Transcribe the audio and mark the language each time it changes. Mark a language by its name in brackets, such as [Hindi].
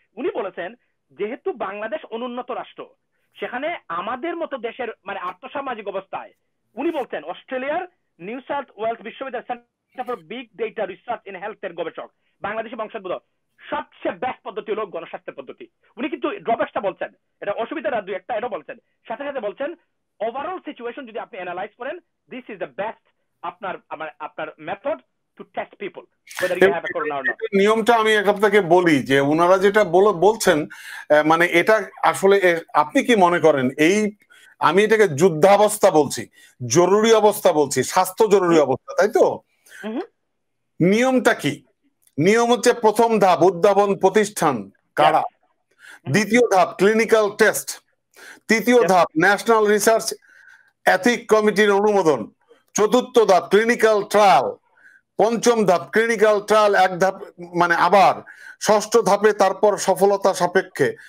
[Bangla] উনি বলেছেন যেহেতু বাংলাদেশ অনুন্নত রাষ্ট্র, সেখানে আমাদের মতো দেশের মানে আর্থসামাজিক অবস্থায়, উনি বলছেন অস্ট্রেলিয়ার নিউ সাউথ ওয়েলস বিশ্ববিদ্যালয় centre for big data research in health এর গবেষক বাংলাদেশি বংশোদ্ভূত, সবচেয়ে বেস্ট পদ্ধতি হলো গণস্বাস্থ্যের পদ্ধতি। উনি কিন্তু ড্রপেসটা বলছেন, এটা অসুবিধাটা দুই একটা এটা বলছেন, সাথে সাথে বলছেন অভারঅল সিচুয়েশন যদি আপনি অ্যানালাইজ করেন, [English] this is the best [Bangla] আপনার আপনার method [English] to test people whether you have a corona or not. [Bangla] নিয়মটা আমি আপনাকে বলি যে উনারা যেটা বলছেন মানে এটা আসলে আপনি কি মনে করেন এই আমি এটাকে যুদ্ধাবস্থা বলছি জরুরি অবস্থা বলছি স্বাস্থ্য জরুরি অবস্থা তাই তো নিয়মটা কি নিয়ম হচ্ছে প্রথম ধাপ উদ্ভাবন প্রতিষ্ঠান কারা দ্বিতীয় ধাপ ক্লিনিক্যাল টেস্ট তৃতীয় ধাপ ন্যাশনাল রিসার্চ এথিক কমিটির অনুমোদন চতুর্থ ধাপ ক্লিনিক্যাল ট্রায়াল পঞ্চম ধাপ ক্লিনিক্যাল ট্রায়াল এক ধাপ মানে আবার ষষ্ঠ ধাপে তারপর সফলতা সাপেক্ষে